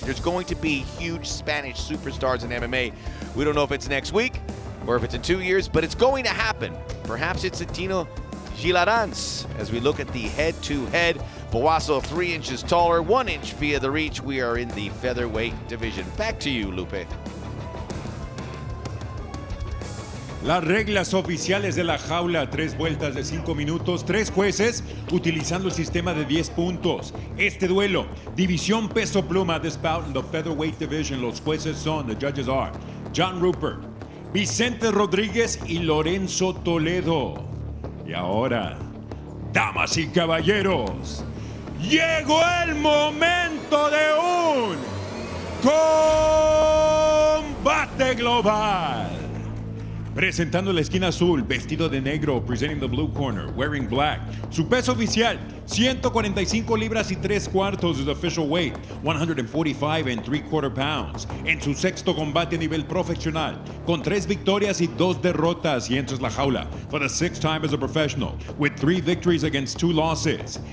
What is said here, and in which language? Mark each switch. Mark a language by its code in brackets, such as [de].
[en] There's going to be huge Spanish superstars in MMA. We don't know if it's next week or if it's in 2 years, but it's going to happen. Perhaps it's a Tino Gilaranz as we look at the head-to-head. Boasso 3 inches taller, 1 inch via the reach. We are in the featherweight division. Back to you, Lupe. [es] Las reglas oficiales de la jaula, 3 vueltas de 5 minutos, 3 jueces utilizando el sistema de 10 puntos. Este duelo, división peso pluma, [en] this bout in the featherweight division, [es] los jueces son, [en] the judges are, [es] John Rupert, Vicente Rodríguez y Lorenzo Toledo. Y ahora, damas y caballeros, llegó el momento de un combate global. Presentando la esquina azul, vestido de negro, [en] presenting the blue corner, wearing black. [es] Su peso oficial, 145 libras y 3 cuartos, [en] his official weight, 145 and 3 quarter pounds. [es] En su sexto combate a nivel profesional, con 3 victorias y 2 derrotas, y entra la jaula. [en] For the 6th time as a professional, with 3 victories against 2 losses.